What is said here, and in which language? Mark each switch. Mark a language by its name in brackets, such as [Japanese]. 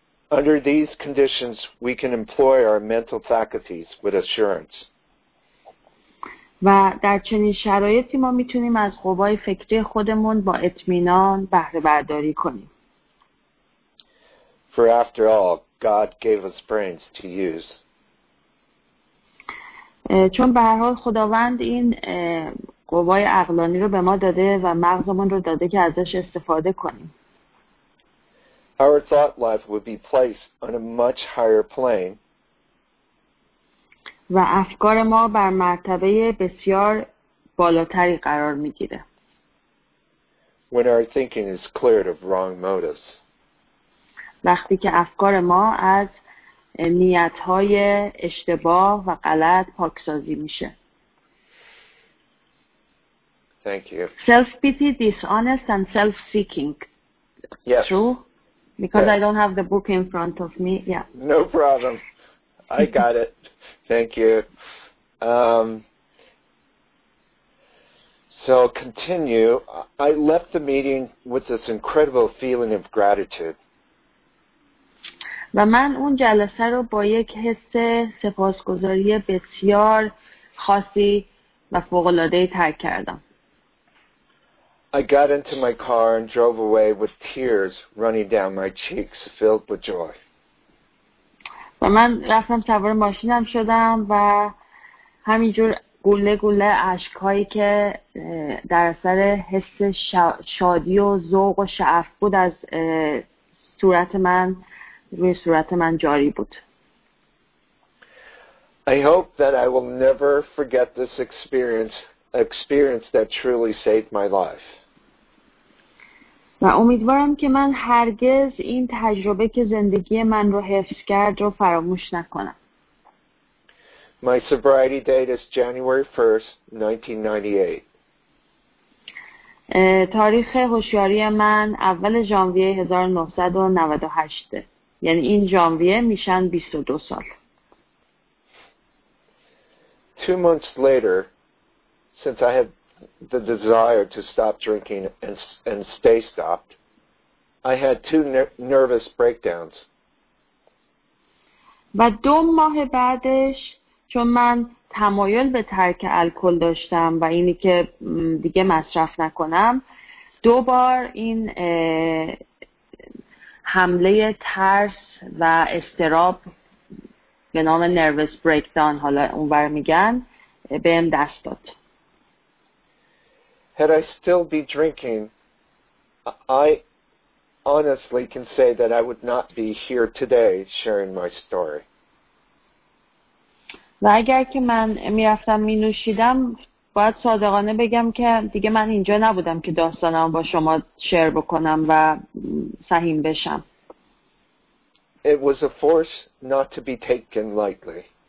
[English] Under these conditions, we can employ our mental faculties with assurance. [Persian] و در چنین شرایطی ما میتونیم از قوای فکری خودمون با اطمینان بهره برداری کنیم. [English] For after all, God gave us brains to use. [Persian] چون به هر حال خداوند این قوای عقلانی رو به ما داده و مغزمون رو داده که ازش استفاده کنیم. [English] Our thought life would be placed on a much higher plane. [Persian] و افکار ما بر مرتبه بسیار بالاتری قرار میگیره. [English] When our thinking is cleared of wrong motives. [Persian] وقتی که افکار ما از نیت‌های اشتباه و غلط پاکسازی میشه. [English] Thank you. Self-pity, dishonest and self-seeking. Yes. True? Because yes. I don't have the book in front of me. Yeah. No problem. I got it. Thank you. So continue. I left the meeting with this incredible feeling of gratitude. [Persian] و من اون جلسه رو با یک حس سپاسگزاری بسیار خاصی و فوق‌العاده‌ای ترک کردم. [English] I got into my car and drove away with tears running down my cheeks filled with joy. [Persian] و من رفتم سوار ماشینم شدم و همینجور گله گله اشکایی که در اثر حس شادی و ذوق و شعف بود از صورت من روی صورت من جاری بود. [English] I hope that I will never forget this experience that truly saved my life. [Persian] و امیدوارم که من هرگز این تجربه که زندگی من رو حفظ کرد رو فراموش نکنم. [English] My sobriety date is January 1st, 1998. [Persian] تاریخ هوشیاری من اول ژانویه 1998. یعنی این ژانویه میشن 22 سال. [English] 2 months later, since I have the desire to stop drinking and stay stopped, I had 2 nervous breakdowns. [Persian] و 2 ماه بعدش چون من تمایل به ترک الکل داشتم و اینی که دیگه مصرف نکنم 2 بار این حمله ترس و استراب به نام نروس بریکدان حالا اونور میگن بهم دست داد. [English] Had I still be drinking, I honestly can say that I would not be here today sharing my story. [Persian] و اگر که من میرفتم مینوشیدم باید صادقانه بگم که دیگه من اینجا نبودم که داستانم با شما شیر بکنم و سهیم بشم. [English] It was a force not to be taken lightly.